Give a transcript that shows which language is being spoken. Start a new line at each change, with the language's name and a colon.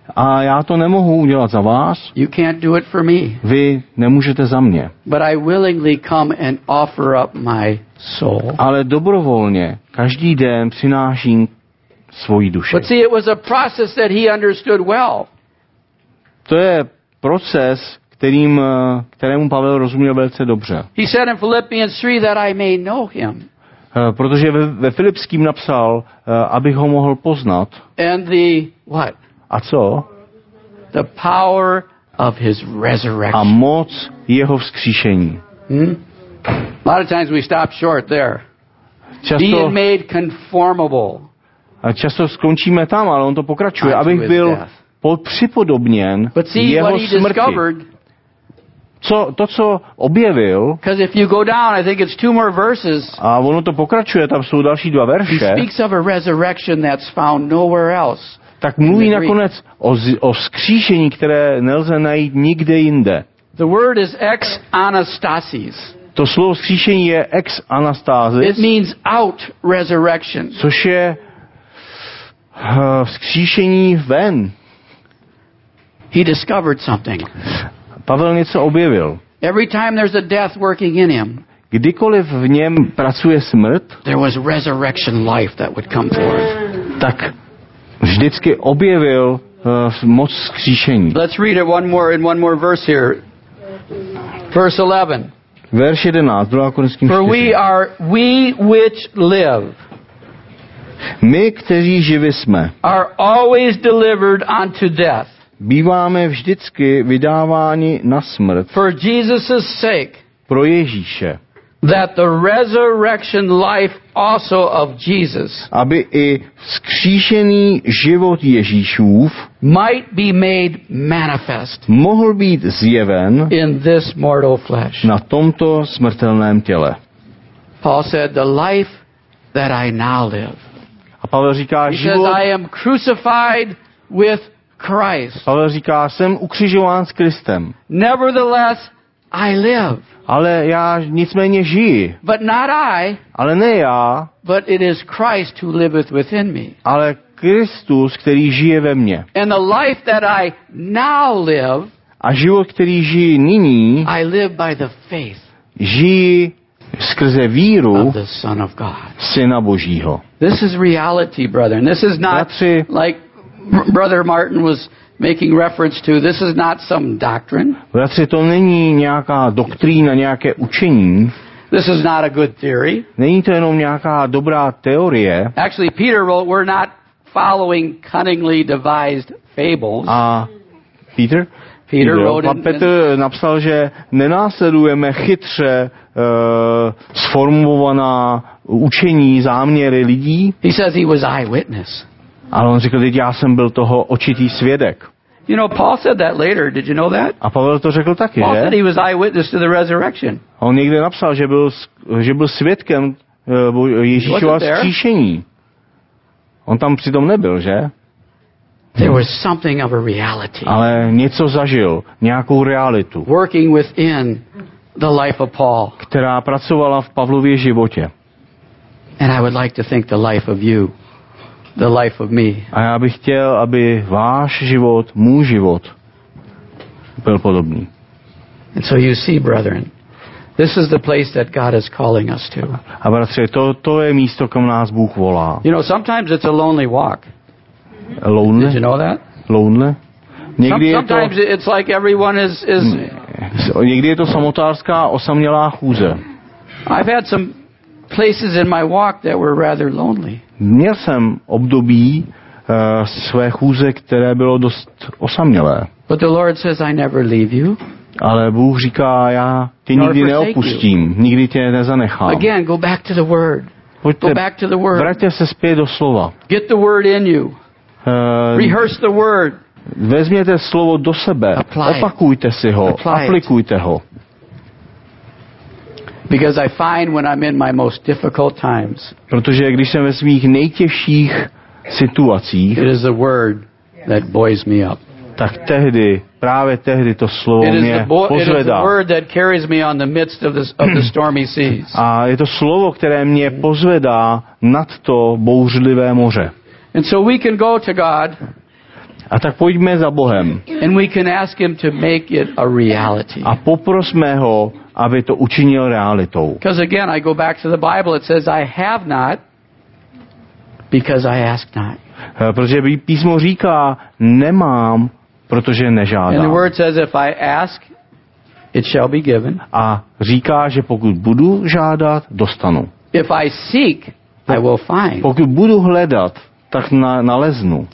Czech: A já to nemohu udělat za vás.
English: You can't do it for me.
Czech: Vy nemůžete za mě.
English: But I willingly come and offer up my soul.
Czech: Ale dobrovolně každý den přináším svoji duši.
English: But see, it was a process that he understood well.
Czech: To je proces, kterému Pavel rozuměl velice dobře.
English: He said in Philippians 3 that I may know him.
Czech: Protože ve Filipským napsal, abych ho mohl poznat.
English: And the, what?
Czech: A co?
English: The power of his resurrection.
Czech: A moc jeho vzkříšení.
English: A lot of times we stop short there.
Czech: Často,
English: being made conformable.
Czech: A často skončíme tam, ale on to pokračuje. Abych byl připodobněn jeho smrti. Co objevil,
English: because if you go down, I think it's two more verses.
Czech: A ono to pokračuje, tam jsou další dva verše.
English: He speaks of a resurrection that's found nowhere else.
Czech: Tak mluví nakonec o vzkříšení, které nelze najít nikde jinde.
English: The word is ex anastasis.
Czech: To slovo vzkříšení je ex anastasis.
English: It means out resurrection.
Czech: Což je vzkříšení ven.
English: He discovered something.
Czech: Pavel něco objevil.
English: Every time there's a death working in him.
Czech: Kdykoliv v něm pracuje smrt,
English: there was resurrection life that would come forth.
Czech: Tak vždycky objevil moc vzkříšení.
English: Let's read it one more verse here. Verse 11.
Czech: Verš 11, 2. Korinským
English: 4. For we are we which live.
Czech: My, kteří živi jsme.
English: Are always delivered unto death.
Czech: Býváme vždycky vydáváni na smrt.
English: For Jesus's sake.
Czech: Pro Ježíše.
English: That the resurrection life also of Jesus.
Czech: Aby i vzkříšený život Ježíšův
English: might be made manifest.
Czech: Mohl být zjeven
English: in this mortal flesh.
Czech: Na tomto smrtelném těle.
English: Paul said, the life that I now live.
Czech: A Pavel říká, he život.
English: Says, I am crucified with Christ.
Czech: Pavel říká, jsem ukřižován s Kristem.
English: Nevertheless, I live.
Czech: Ale já nicméně žiji.
English: But not I.
Czech: Ale ne já.
English: But it is Christ who liveth within me.
Czech: Ale Kristus, který žije ve mně.
English: And the life that I now live.
Czech: A život, který žiji nyní.
English: I live by the faith.
Czech: Žiji skrze víru
English: of the Son of God.
Czech: Syna Božího.
English: This is reality, brother. And this is not
Czech: bratři,
English: like Brother Martin was making reference to, this is not some doctrine.
Czech: Bratři, to není nějaká doktrína, nějaké učení.
English: This is not a good theory.
Czech: Není to jenom nějaká dobrá teorie.
English: Actually, Peter wrote, we're not following cunningly devised fables.
Czech: A Peter?
English: Peter wrote,
Czech: Petr napsal, že nenásledujeme chytře sformovaná učení, záměry lidí.
English: He says he was eyewitness.
Czech: Ale on řekl, já jsem byl toho očitý svědek.
English: You know, Paul said that later. Did you know that?
Czech: A Pavel to řekl taky,
English: Paul
Czech: že?
English: Said he was eyewitness to the resurrection.
Czech: On někde napsal, že byl svědkem Ježíšova vzkříšení. On tam přitom nebyl, že?
English: There was something of a reality.
Czech: Ale něco zažil, nějakou realitu.
English: Working within the life of Paul.
Czech: Která pracovala v Pavlově životě.
English: And I would like to think the life of you. The life of me.
Czech: A já bych chtěl, aby váš život, můj život byl podobný.
English: And so you see, brethren, this is the place that God is calling us to.
Czech: A bratře, to je místo, kam nás Bůh volá.
English: You know, sometimes it's a lonely walk. Lonely? Did you know that? Lonely? Sometimes it's like everyone is
Czech: Někdy je to samotářská osamělá chůze.
English: I've had some places in my walk that were rather lonely.
Czech: Měl jsem období své chůze, které bylo dost osamělé.
English: But the Lord says, I never leave you.
Czech: Ale Bůh říká, já tě nikdy neopustím, nikdy tě nezanechám.
English: Again, go back to the word. Go back to the word.
Czech: Vraťte se zpět do slova.
English: Get the word in you. Rehearse the word.
Czech: Vezměte slovo do sebe.
English: Apply
Czech: opakujte si ho.
English: Apply
Czech: aplikujte
English: it.
Czech: Ho.
English: Because I find when I'm in my most difficult times.
Czech: Protože když jsem ve svých nejtěžších situacích.
English: It is the word that buoys me up.
Czech: Tak tehdy, právě tehdy to slovo mě pozvedá.
English: It is the word that carries me on the midst of the stormy seas.
Czech: A je to slovo, které mě pozvedá nad to bouřlivé moře.
English: And so we can go to God.
Czech: A tak pojďme za Bohem.
English: And we can ask him to make it a reality.
Czech: A poprosme ho, aby to učinil realitou.
English: Because again, I go back to the Bible, it says I have not because I ask not.
Czech: Protože písmo říká, nemám, protože nežádám.
English: And the word says if I ask, it shall be given.
Czech: A říká, že pokud budu žádat, dostanu.
English: If I seek, I will find.
Czech: Pokud budu hledat, tak naleznu.